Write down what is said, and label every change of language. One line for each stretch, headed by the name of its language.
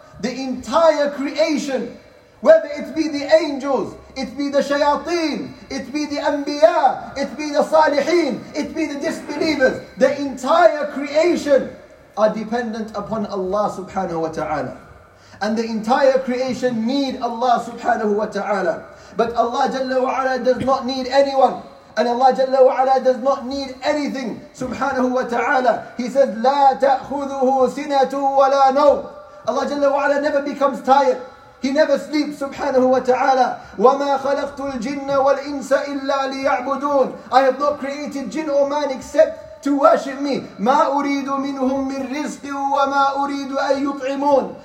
English: The entire creation, whether it be the angels, it be the shayateen, it be the anbiya, it be the salihin, it be the disbelievers, the entire creation are dependent upon Allah subhanahu wa ta'ala. And the entire creation need Allah subhanahu wa ta'ala. But Allah Jalla wa Ala does not need anyone. And Allah Jalla wa Ala does not need anything subhanahu wa ta'ala. He says,
Arabic: لا تأخذه سنة ولا نوم.
English: Allah Jalla wa Ala never becomes tired. He never sleeps,
Arabic: subhanahu wa ta'ala. وَمَا خَلَقْتُ الْجِنَّ وَالْإِنسَ إِلَّا لِيَعْبُدُونَ.
English: I have not created jinn or man except to worship me.
Arabic: مَا أُرِيدُ مِنْهُمْ مِنْ رِزْقٍ وَمَا أُرِيدُ أَن يُطْعِمُونَ.